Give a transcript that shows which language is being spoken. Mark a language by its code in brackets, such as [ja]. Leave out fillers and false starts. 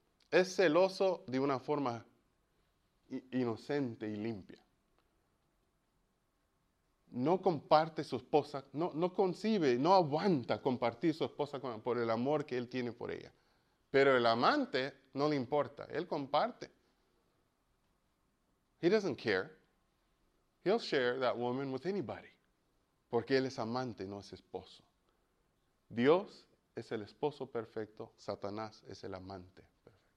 [es] Es celoso de una forma inocente y limpia. No comparte su esposa, no concibe, no aguanta compartir su esposa por el amor que él tiene por ella. Pero el amante no le importa, él comparte. [en] He doesn't care. He'll share that woman with anybody. [es] Porque él es amante, no es esposo. Dios es el esposo perfecto, Satanás es el amante perfecto.